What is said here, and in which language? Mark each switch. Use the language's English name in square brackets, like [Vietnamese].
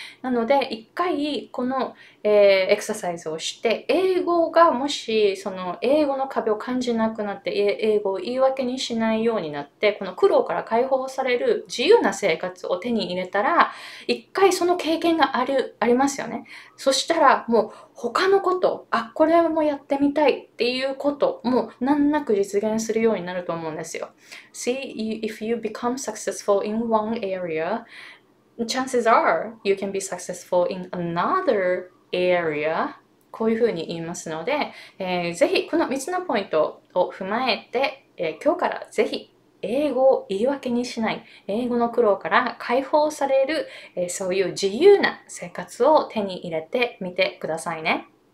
[Japanese] なので一回この、エクササイズをして、英語がもしその英語の壁を感じなくなって、英語を言い訳にしないようになって、この苦労から解放される自由な生活を手に入れたら、一回その経験がありますよね。そしたらもう他のこと、あこれもやってみたいっていうことも難なく実現するようになると思うんですよ。 [English] See, if you become successful in one area, chances are you can be successful in another area. [Japanese] こういうふうに言いますので、ぜひこの3つのポイントを踏まえて、今日からぜひ英語を言い訳にしない、英語の苦労から解放される、そういう自由な生活を手に入れてみてくださいね。